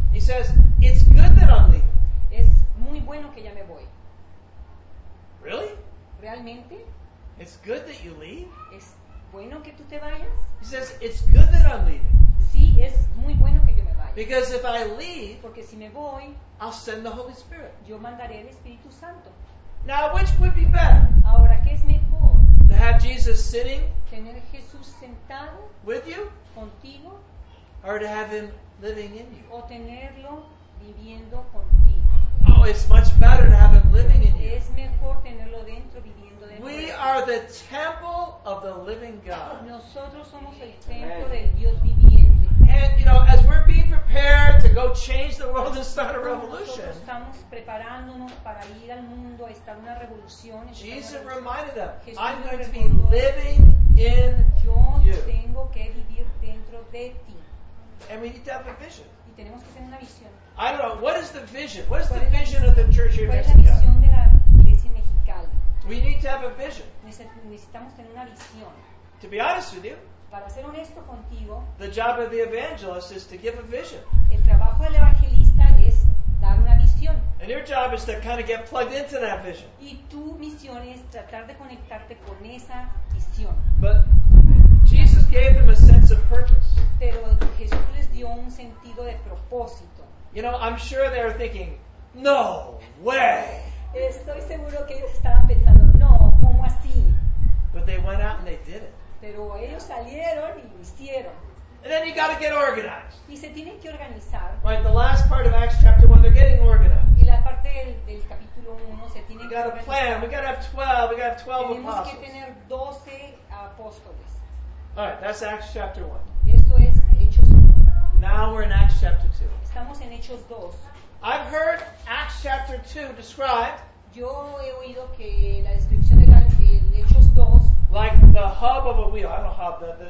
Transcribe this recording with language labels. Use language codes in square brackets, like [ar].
[en] He says, it's good that I'm leaving. [es] Es muy bueno que ya me voy. [en] Really? [es] ¿Realmente? [en] It's good that you leave? [es] ¿Es bueno que tú te vayas? [en] He says, it's good that I'm leaving. [es] Sí, es muy bueno que yo me vaya. [en] Because if I leave, [es] porque si me voy, [en] I'll send the Holy Spirit. [es] Yo mandaré el Espíritu Santo. [en] Now, which would be better? [es] Ahora, ¿qué es mejor? [en] To have Jesus sitting, [es] tener Jesús sentado, [en] with you, [es] contigo, [en] or to have him living in you. [es] O tenerlo viviendo contigo. [en] Oh, it's much better to have him living in you. [es] Es mejor tenerlo dentro, viviendo dentro. [en] We are the temple of the living God. [es] Nosotros somos el templo del Dios viviente. [en] And you know, as we're being prepared to go change the world and start a revolution, [es] nosotros estamos preparándonos para ir al mundo a estar una revolución. [en] Jesus reminded them, I'm going to be living in you. [es] Yo tengo que vivir dentro de ti. [en] And we need to have a vision. [es] Y tenemos que tener una visión. [en] I don't know, what is the vision? What is the vision of the church here in Mexico? [es] ¿Cuál es la visión de la iglesia mexicana? [en] We need to have a vision. [es] Necesitamos tener una visión. [en] To be honest with you, [es] para ser honesto contigo, [en] the job of the evangelist is to give a vision. [es] El trabajo del evangelista es dar una visión. [en] And your job is to kind of get plugged into that vision. [es] Y tu misión es tratar de conectarte con esa visión. [en] But Jesus gave them a sense of purpose. [es] Pero Jesús les dio un sentido de propósito. [en] You know, I'm sure they were thinking, no way. [es] Estoy seguro que ellos estaban pensando, no, ¿cómo así? [en] But they went out and they did it. [es] Pero ellos salieron y lo hicieron. [en] And then you got to get organized. [es] Y se tienen que organizar. [en] Right, the last part of Acts chapter 1, they're getting organized. [es] Y la parte del capítulo 1 se tiene que organizar. [en] We got a plan. We got to have 12. We got to have 12 [es] tenemos [en] apostles. [es] Tenemos que tener 12 apóstoles. [en] Alright, that's Acts chapter 1. [es] Esto es Hechos 1. [en] Now we're in Acts chapter 2. [es] Estamos en Hechos 2. [en] I've heard Acts chapter 2 described. [es] Yo he oído que la descripción de Hechos 2. [en] Like the hub of a wheel. I don't know hub.